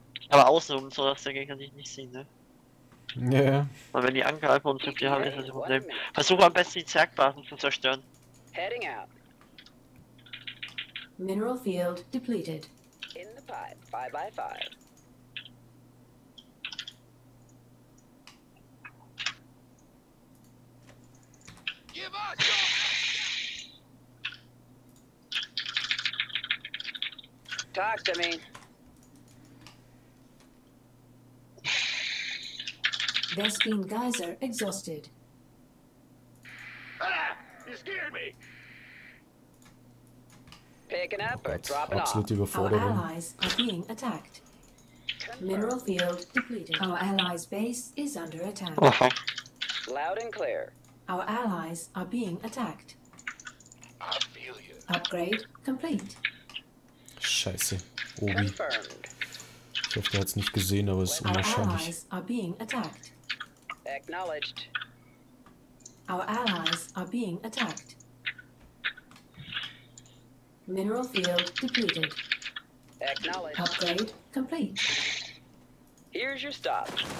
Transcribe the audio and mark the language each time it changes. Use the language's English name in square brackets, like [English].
[German] Aber außenrum, so dass der Gegner dich nicht sieht, ne? Ja. Und wenn die Angreifer uns zu viel haben, ist das ein Problem. Versuche am besten die Zergbasen zu zerstören. [English] Heading out. Mineral field depleted. In the pipe, 5x5. Give us your... Talk to me. Vespine geyser exhausted. Ah! You scared me! Picking up or dropping off. Absolutely before our allies are being attacked. Mineral field depleted. Our allies' base is under attack. Loud and clear. Our allies are being attacked. I feel you. Upgrade complete. [German] Scheiße. Obi. [English] Confirmed. [German] Ich hoffe, er hat es nicht gesehen, aber es ist unwahrscheinlich. [English] Our allies are being attacked. Acknowledged. Our allies are being attacked. Mineral field depleted. Acknowledged. Upgrade complete. Here's your stop.